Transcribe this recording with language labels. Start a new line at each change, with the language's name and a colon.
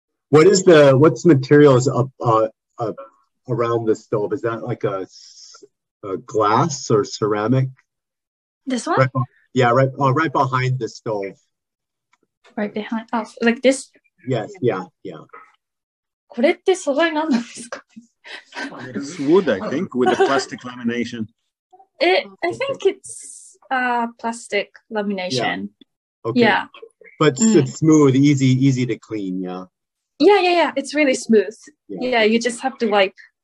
English: What's the materials up around the stove? Is that like a glass or ceramic? This one? Right behind the stove. Right behind, oh, like this? Yes, yeah.
Japanese: これって素材なんですか?
English: It's wood, I think, with a plastic lamination. I think it's plastic lamination. Yeah. Okay. Yeah. But it's smooth, easy to clean, yeah. Yeah. It's really smooth. Yeah. Yeah, you just have to wipe.